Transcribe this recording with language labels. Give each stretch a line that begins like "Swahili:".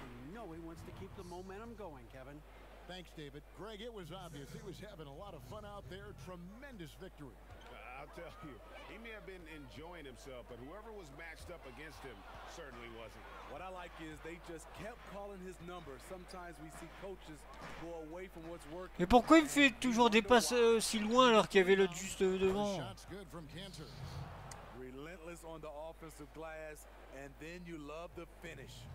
English: You know he wants to keep the momentum going, Kevin. Thanks, David. Greg, it was obvious. He was having a lot of fun out there. Tremendous victory. I'll tell you, he may have been enjoying himself, but whoever was matched up against him certainly wasn't. What I like is they just kept calling his number. Sometimes we see coaches go away from what's working.
French: Mais pourquoi il fait toujours des passes si loin alors qu'il y avait l'autre juste devant?
English: Shots good from Cantor. Relentless on the offensive glass, and then you love the finish.